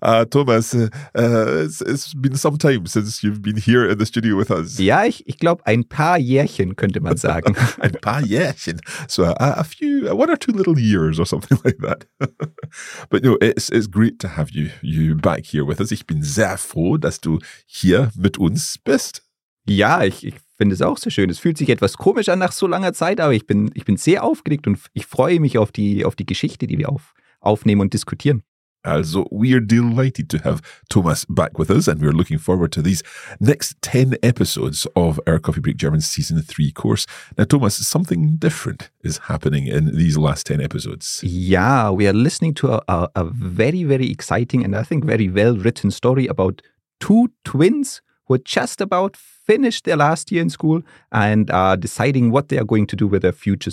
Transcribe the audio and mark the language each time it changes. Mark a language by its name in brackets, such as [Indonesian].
[English] Thomas, it's been some time since you've been here in the studio with us. [German] Ja, ich glaube ein paar Jährchen könnte man sagen. Ein paar Jährchen. [English] So one or two little years or something like that. But no, it's great to have you back here with us. [German] Ich bin sehr froh, dass du hier mit uns bist. Ja, ich finde es auch sehr schön. Es fühlt sich etwas komisch an nach so langer Zeit, aber ich bin sehr aufgeregt und ich freue mich auf die Geschichte, die wir aufnehmen und diskutieren. [English] Also, we are delighted to have Thomas back with us and we are looking forward to these next 10 episodes of our Coffee Break German Season 3 course. Now, Thomas, something different is happening in these last 10 episodes. Yeah, we are listening to a very, very exciting and I think very well-written story about two twins who are just about finished their last year in school and are deciding what they are going to do with their future.